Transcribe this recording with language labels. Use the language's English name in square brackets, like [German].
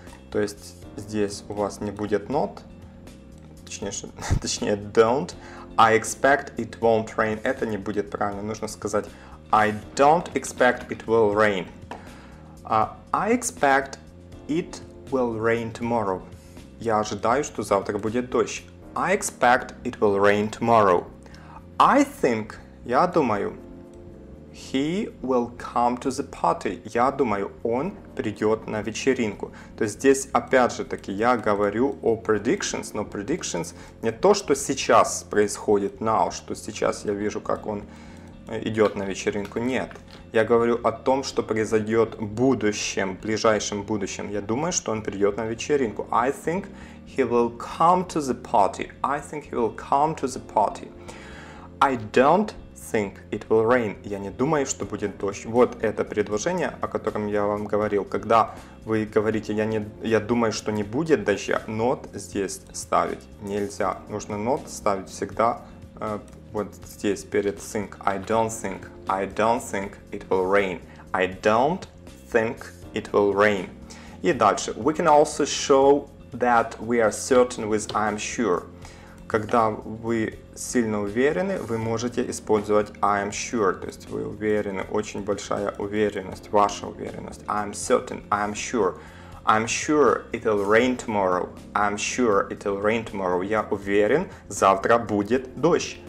[Russian] То есть здесь у вас не будет not, точнее don't. [English] I expect it won't rain. [Russian] Это не будет правильно. Нужно сказать [English] I don't expect it will rain. I expect it will rain tomorrow. [Russian] Я ожидаю, что завтра будет дождь. [English] I expect it will rain tomorrow. I think, [Russian] я думаю, [English] he will come to the party. [Russian] Я думаю, он придет на вечеринку. То есть здесь, опять же таки, я говорю о predictions, но predictions не то, что сейчас происходит now, что сейчас я вижу, как он идет на вечеринку. Нет. Я говорю о том, что произойдет в будущем, в ближайшем будущем. Я думаю, что он придет на вечеринку. [English] I think he will come to the party. I think he will come to the party. I don't think it will rain. [Russian] Я не думаю, что будет дождь. Вот это предложение, о котором я вам говорил. Когда вы говорите, я думаю, что не будет дождя, not здесь ставить нельзя. Нужно not ставить всегда вот здесь, перед think. [English] I don't think it will rain. I don't think it will rain. [Russian] И дальше. [English] We can also show that we are certain with I'm sure. [Russian] Когда вы сильно уверены, вы можете использовать [English] I am sure, [Russian] то есть вы уверены, очень большая уверенность, ваша уверенность. [English] I am certain, I am sure. I'm sure it'll rain tomorrow. I'm sure it'll rain tomorrow. [Russian] Я уверен, завтра будет дождь.